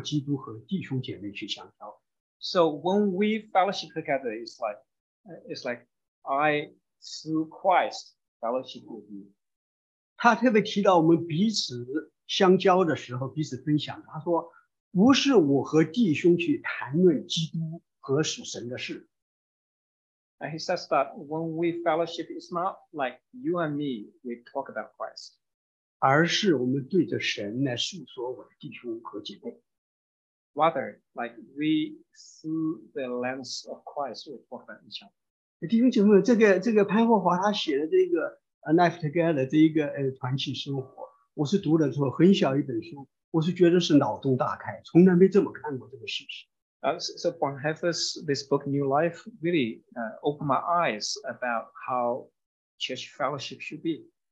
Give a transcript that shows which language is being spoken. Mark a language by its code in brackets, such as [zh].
[zh] 他也提到说，我们在和弟兄姐妹相交的时候，是我先和基督相交，再透过基督和弟兄姐妹去相交。 [en] So when we fellowship together, it's like I through Christ fellowship with you. [zh] 他特别提到我们彼此相交的时候，彼此分享。他说，不是我和弟兄去谈论基督和属神的事。 [en] And he says that when we fellowship, it's not like you and me, we talk about Christ. [zh] 而是我们对着神来述说我的弟兄和姐妹。 [en] Rather, like we through the lens of Christ, we talk about each other. [zh] 弟兄姐妹，这个潘霍华他写的这个《Life Together》这一个团契生活，我是读了之后很小一本书，我是觉得是脑洞大开，从来没这么看过这个事实。 [en] So Bonhoeffer's this book, New Life, really opened my eyes about how church fellowship should be.